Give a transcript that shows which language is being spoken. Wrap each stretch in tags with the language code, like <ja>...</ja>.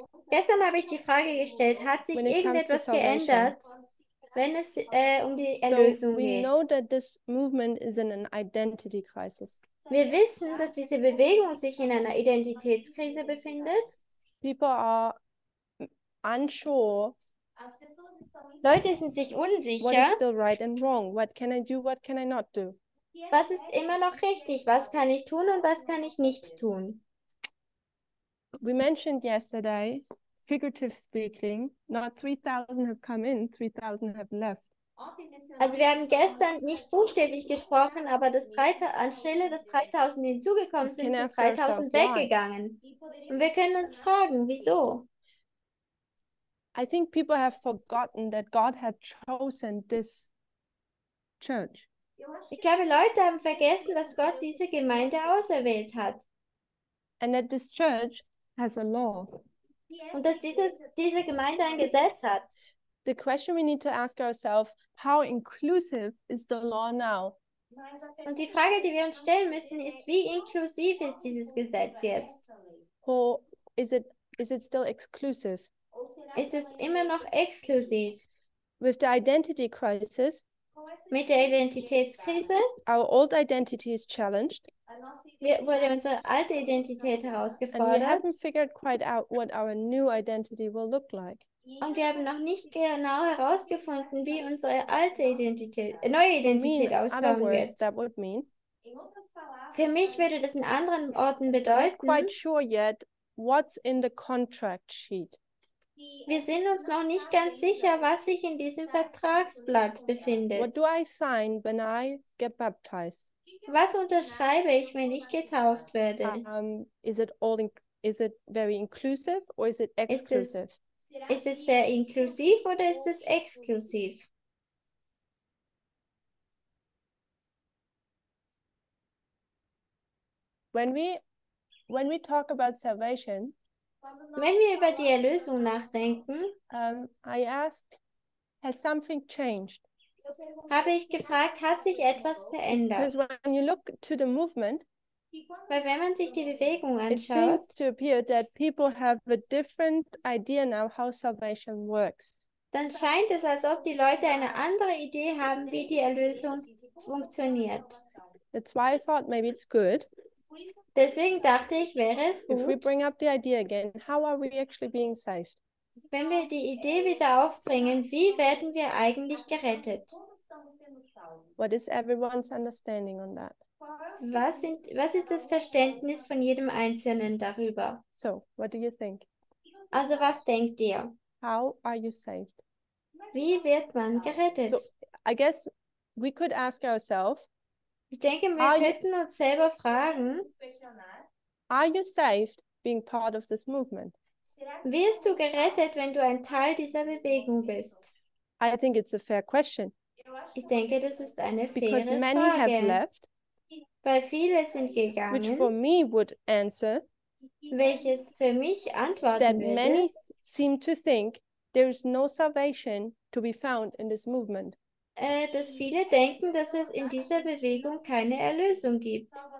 <de>Gestern habe ich die Frage gestellt, hat sich irgendetwas geändert, wenn es um die Erlösung geht?</de> <en>So we know that this movement is in an identity crisis.</en> <de>Wir wissen, dass diese Bewegung sich in einer Identitätskrise befindet.</de> <en>People are unsure.</en> <de>Leute sind sich unsicher.</de> <en>What is still right and wrong? What can I do? What can I not do?</en> <de>Was ist immer noch richtig? Was kann ich tun und was kann ich nicht tun?</de> <en>We mentioned yesterday, figurative speaking, not 3,000 have come in, 3,000 have left.</en> <de>Also wir haben gestern nicht buchstäblich gesprochen, aber das anstelle des 3000 hinzugekommen sind, sind 3000 weggegangen. Und wir können uns fragen, wieso?</de> <en>I think people have forgotten that God had chosen this church.</en> <de>Ich glaube, Leute haben vergessen, dass Gott diese Gemeinde auserwählt hat.</de> <en>And that this church has a law.</en> <de>Und dass diese Gemeinde ein Gesetz hat.</de> <en>The question we need to ask ourselves, how inclusive is the law now?</en> <de>Und die Frage, die wir uns stellen müssen, ist, wie inklusiv ist dieses Gesetz jetzt?</de> <en>Or is it still exclusive?</en> <de>Ist es immer noch exklusiv?</de> <en>With the identity crisis,</en> <de>mit der Identitätskrise,</de> <en>our old identity is challenged.</en> <de>Wurde unsere alte Identität herausgefordert.</de> <en>And we haven't figured quite out what our new identity will look like.</en> <de>Und wir haben noch nicht genau herausgefunden, wie unsere alte Identität, neue Identität ausschauen wird.</de> <en>That would mean.</en> <de>Für mich würde das in anderen Orten bedeuten.</de> <en>Not quite sure yet what's in the contract sheet.</en> <de>Wir sind uns noch nicht ganz sicher, was sich in diesem Vertragsblatt befindet.</de> <en>What do I sign when I get baptized?</en> <de>Was unterschreibe ich, wenn ich getauft werde?</de> <en>Is it very inclusive or is it exclusive?</en> <de>Ist es sehr inklusiv oder ist es exklusiv?</de> <en>When we talk about salvation,</en> <de>wenn wir über die Erlösung nachdenken,</de> <en>I asked, has something changed?</en> <de>Habe ich gefragt, hat sich etwas verändert?</de> <en>Because when you look to the movement,</en> <de>weil wenn man sich die Bewegung anschaut,</de> <en>it seems to appear that people have a different idea now how salvation works.</en> <de>Dann scheint es, als ob die Leute eine andere Idee haben, wie die Erlösung funktioniert.</de> <en>That's why I thought maybe it's good.</en> <de>Deswegen dachte ich, wäre es gut.</de> <en>If we bring up the idea again, how are we actually being saved?</en> <de>Wenn wir die Idee wieder aufbringen, wie werden wir eigentlich gerettet?</de> <en>What is everyone's understanding on that?</en> <de>Was ist das Verständnis von jedem Einzelnen darüber?</de> <en>So, what do you think?</en> <de>Also, was denkt ihr?</de> <en>How are you saved?</en> <de>Wie wird man gerettet?</de> <en>So, I guess we could ask ourselves.</en> <de>Ich denke, wir könnten uns selber fragen.</de> <en>Are you saved being part of this movement?</en> <de>Wirst du gerettet, wenn du ein Teil dieser Bewegung bist?</de> <en>I think it's a fair question.</en> <de>Ich denke, das ist eine faire Frage.</de> <en>Because many</en> <de>Frage.</de> <en>Have left.</en> <de>Weil viele sind gegangen,</de> <en>which for me would answer,</en> <de>welches für mich antworten</de> <en>that</en> <de>würde,</de> <en>many seem to think there is no salvation to be found in this movement.</en> <de>Dass viele denken, dass es in dieser Bewegung keine Erlösung gibt.</de>